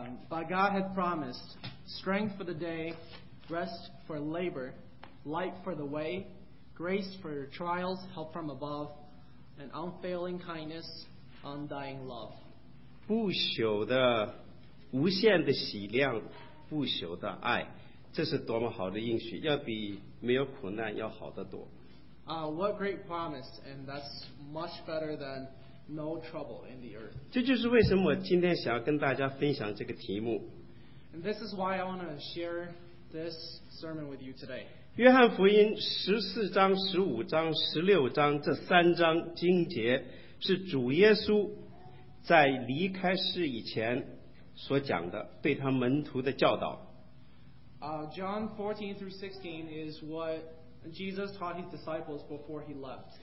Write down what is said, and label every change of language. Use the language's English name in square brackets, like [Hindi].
[English] But God had promised strength for the day, rest for labor, light for the way, grace for trials, help from above, and unfailing kindness, undying love. [Chinese] 不朽的、无限的喜量、不朽的爱，这是多么好的应许，要比没有苦难要好得多。 [English] What great promise, and that's much better than. No trouble in the earth. [Chinese] 这就是为什么我今天想要跟大家分享这个题目。 [English] And this is why I want to share this sermon with you today. [Chinese] 约翰福音十四章、十五章、十六章这三章经节是主耶稣在离开世以前所讲的对他门徒的教导。 [English] John 14 through 16 is what Jesus taught his disciples before he left.